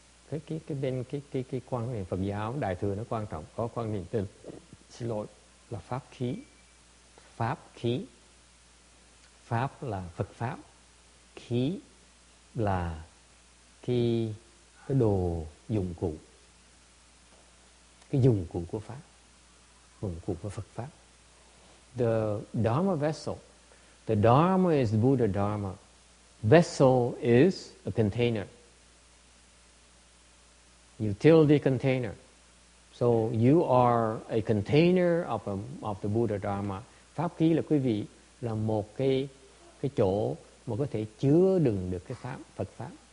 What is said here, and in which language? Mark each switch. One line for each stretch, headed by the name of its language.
Vietnamese: cái quan niệm Phật giáo đại thừa nó quan trọng, có quan niệm tên xin lỗi là pháp khí. Pháp khí, pháp là Phật pháp, khí là cái đồ dụng cụ, cái dụng cụ của pháp, dụng cụ của Phật pháp.
English: The Dharma vessel, the Dharma is the Buddha Dharma, vessel is a container, utility container. So you are a container of the Buddha Dharma.
Vietnamese: Pháp khí là quý vị là một cái chỗ mà có thể chứa đựng được cái pháp Phật pháp.